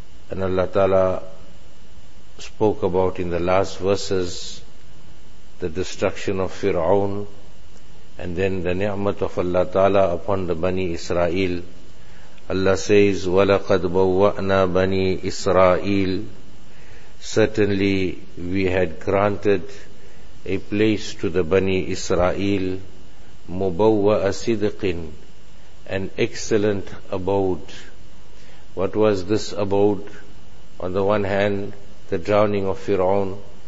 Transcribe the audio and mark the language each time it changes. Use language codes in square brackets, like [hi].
[en] And Allah Ta'ala spoke about in the last verses the destruction of Fir'aun and then the ni'mat of Allah Ta'ala upon the Bani Israel. Allah says, [ar] وَلَقَدْ بَوَّأْنَا بَنِي إِسْرَائِيلِ. [en] Certainly we had granted a place to the Bani Israel, [ar] مُبَوَّأَ صِدْقٍ, [en] an excellent abode. What was this abode? On the one hand, the drowning of Fir'aun.